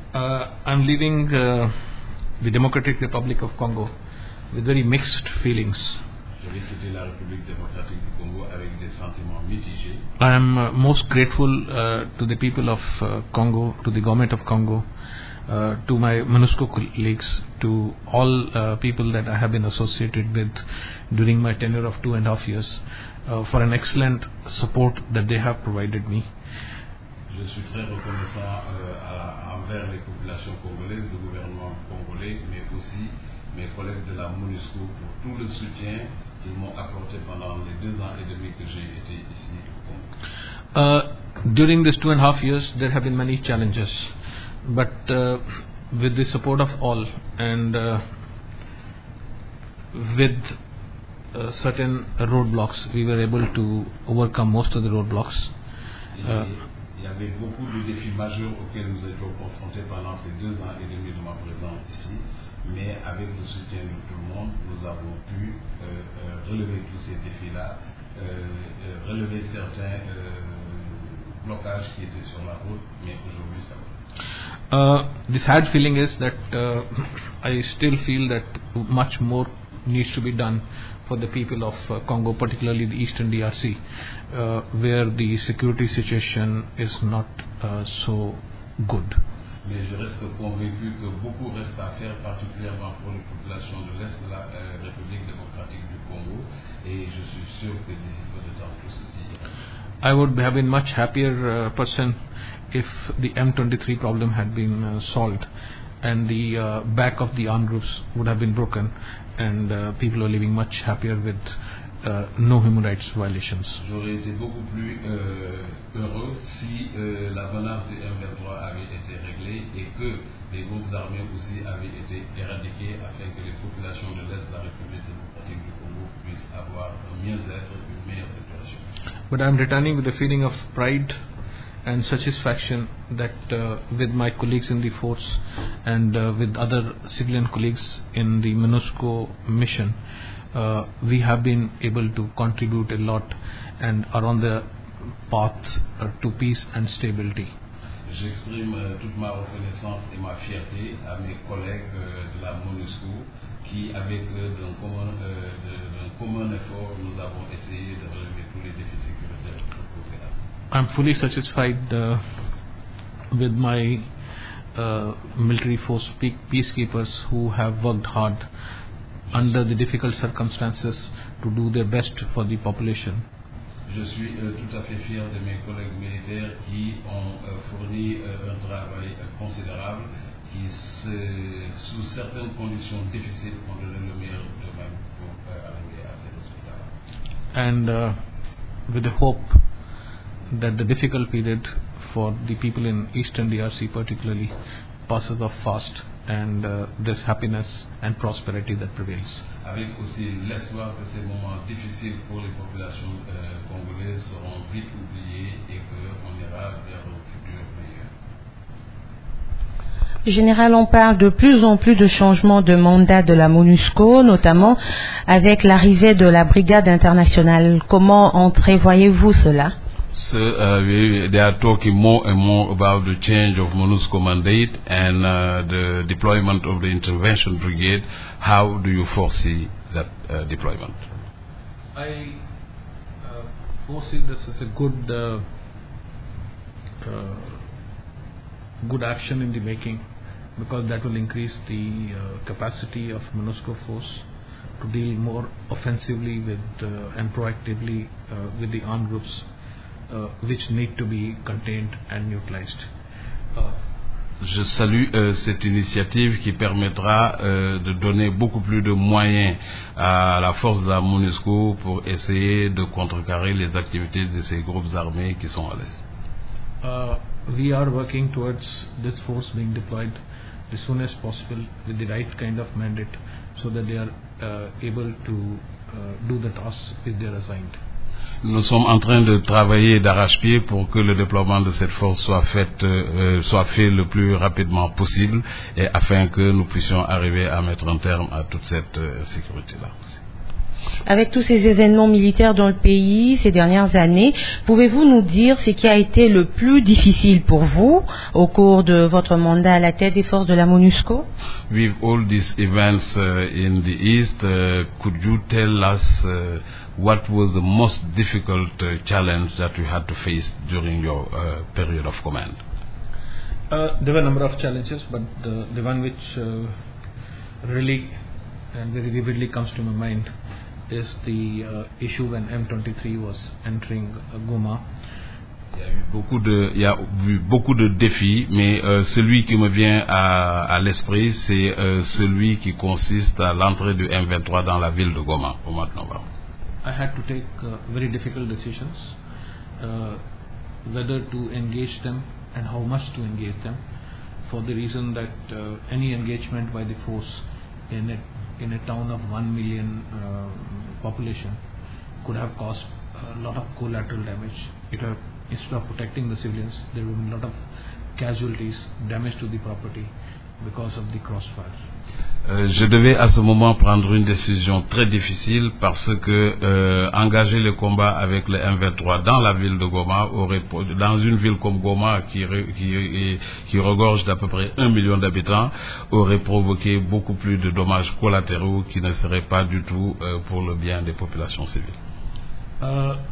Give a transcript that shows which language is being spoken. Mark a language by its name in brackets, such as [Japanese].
[English] I'm leaving the Democratic Republic of Congo with very mixed feelings. [French] Je vais quitter la République démocratique du Congo avec des sentiments mitigés. [English] I am most grateful to the people of Congo, to the government of Congo, to my MONUSCO colleagues, to all people that I have been associated with during my tenure of 2.5 years, for an excellent support that they have provided me. [French] Je suis très reconnaissant envers les populations congolaises, le gouvernement congolais, mais aussi mes collègues de la MONUSCO pour tout le soutien qu'ils m'ont apporté pendant les 2 ans et demi que j'ai été ici au Congo. [English] During these 2.5 years, there have been many challenges. But with the support of all and with certain roadblocks, we were able to overcome most of the roadblocks. [French] Il y avait beaucoup de défis majeurs auxquels nous étions confrontés pendant ces 2 ans et demi de ma présence ici, mais avec le soutien de tout le monde, nous avons pu relever tous ces défis-là, relever certains blocages qui étaient sur la route, mais aujourd'hui ça va. [English] The sad feeling is that I still feel that much more needs to be done for the people of Congo, particularly the Eastern DRC, where the security situation is not so good. [French] Mais je reste convaincu que beaucoup reste à faire, particulièrement pour les populations de l'Est de la République démocratique du Congo, et je suis sûr que d'ici peu de temps tout ceci. [English] I would have been much happier person if the M23 problem had been solved and the back of the armed groups would have been broken and people are living much happier with no human rights violations. [French] J'aurais été beaucoup plus heureux si la menace du M23 avait été réglée et que les groupes armés aussi avaient été éradiqués afin que les populations de l'Est de la République démocratique du Congo puissent avoir un mieux-être, une meilleure situation. [English] But I'm returning with a feeling of pride and satisfaction that with my colleagues in the force and with other civilian colleagues in the MONUSCO mission, we have been able to contribute a lot and are on the path to peace and stability. [French] J'exprime toute ma reconnaissance et ma fierté à mes collègues de la MONUSCO qui, avec d'un commun effort, nous avons essayé de relever tous les défis sécuritaires. [English] I'm fully satisfied with my military force peacekeepers who have worked hard under the difficult circumstances to do their best for the population. [French] Je suis tout à fait fier de mes collègues militaires qui ont fourni un travail considérable, qui sous certaines conditions difficiles ont donné le meilleur de même pour arriver à ces résultats. [English] And with the hope that the difficult period for the people in Eastern DRC particularly passes off fast and there's happiness and prosperity that prevails. [French] Avec aussi l'espoir que ces moments difficiles pour les populations congolaises seront vite oubliés et qu'on ira vers un futur meilleur. Général, on parle de plus en plus de changements de mandat de la MONUSCO, notamment avec l'arrivée de la brigade internationale. Comment entrevoyez-vous cela? [English] So they are talking more and more about the change of MONUSCO mandate and the deployment of the intervention brigade. How do you foresee that deployment? I foresee this as a good good action in the making, because that will increase the capacity of MONUSCO force to deal more offensively with and proactively with the armed groups which need to be contained and neutralized. [French] Je salue cette initiative qui permettra de donner beaucoup plus de moyens à la force de la MONUSCO pour essayer de contrecarrer les activités de ces groupes armés qui sont à l'est. [English] We are working towards this force being deployed as soon as possible with the right kind of mandate so that they are able to do the tasks which they are assigned. [French] Nous sommes en train de travailler d'arrache-pied pour que le déploiement de cette force soit fait le plus rapidement possible et afin que nous puissions arriver à mettre un terme à toute cette insécurité-là. Avec tous ces événements militaires dans le pays ces dernières années, pouvez-vous nous dire ce qui a été le plus difficile pour vous au cours de votre mandat à la tête des forces de la MONUSCO? [English] With all these events in the East, could you tell us what was the most difficult challenge that you had to face during your period of command? There were a number of challenges, but the one which really and very vividly comes to my mind is the issue when M23 was entering Goma. [French] Il y a eu beaucoup de défis, mais celui qui me vient à l'esprit, c'est celui qui consiste à l'entrée du M23 dans la ville de Goma au mois de novembre. [English] I had to take very difficult decisions, whether to engage them and how much to engage them, for the reason that any engagement by the force in a town of 1 million population could have caused a lot of collateral damage. Instead of protecting the civilians, there would be a lot of casualties, damage to the property because of the crossfire. [French] Je devais à ce moment prendre une décision très difficile parce que engager le combat avec le M23 dans la ville de Goma, dans une ville comme Goma qui regorge d'à peu près 1 million d'habitants, aurait provoqué beaucoup plus de dommages collatéraux qui ne seraient pas du tout pour le bien des populations civiles.